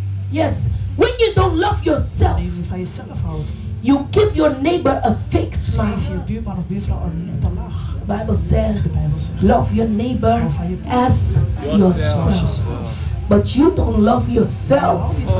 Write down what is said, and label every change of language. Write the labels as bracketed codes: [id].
[en] Yes, when you don't love yourself, [nl] je van jezelf houdt, [en] you give your neighbor a fake smile. [nl] Geef je buurman of buurvrouw een nette lach. [en] The Bible said, [nl] de Bijbel zegt, [en] love your neighbor as yourself. But you don't love yourself.